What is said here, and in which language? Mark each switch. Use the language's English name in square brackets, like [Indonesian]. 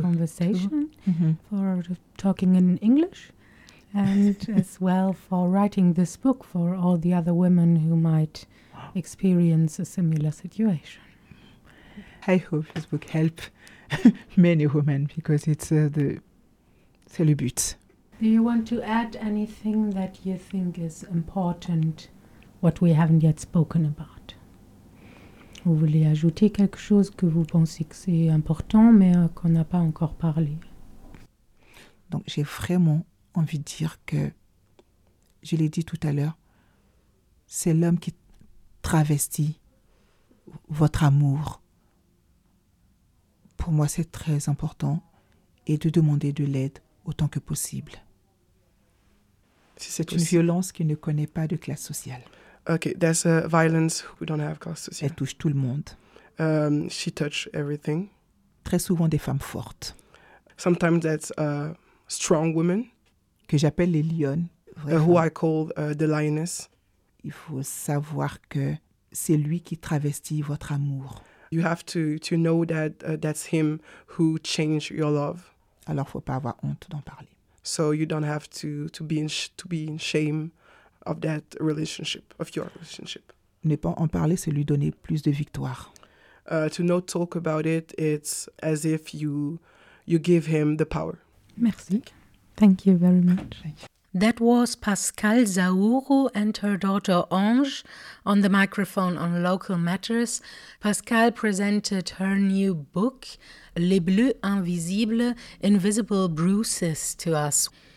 [English] conversation, mm-hmm, for talking in English and as well for writing this book for all the other women who might experience a similar situation. I hope this book helps many women because it's [French] c'est le but. [English] Do you want to add anything that you think is important, what we haven't yet spoken about? [French] Vous voulez ajouter quelque chose que vous pensez que c'est important, mais qu'on n'a pas encore parlé? Donc, j'ai vraiment envie de dire que, je l'ai dit tout à l'heure, c'est l'homme qui travestit votre amour. Pour moi, c'est très important, et de demander de l'aide autant que possible. C'est une violence qui ne connaît pas de classe sociale. [English] Okay, there's a violence who don't have class sociale. [French] Elle touche tout le monde. [English] She touch everything. [French] Très souvent des femmes fortes. [English] Sometimes that's a strong woman. [French] Que j'appelle les lionnes. [English] Who I call the lioness. [French] Il faut savoir que c'est lui qui travestit votre amour. [English] You have to know that that's him who changed your love. [French] Alors, faut pas avoir honte d'en parler. [English] So you don't have to be in shame of that relationship, of your relationship. [French] Ne pas en parler, c'est lui donner plus de victoire. [English] To not talk about it, it's as if you give him the power. [French] Merci. [English] Thank you very much. That was Pascal Zaourou and her daughter Ange on the microphone on Local Matters. Pascal presented her new book, Les Bleus Invisibles, Invisible Bruises, to us.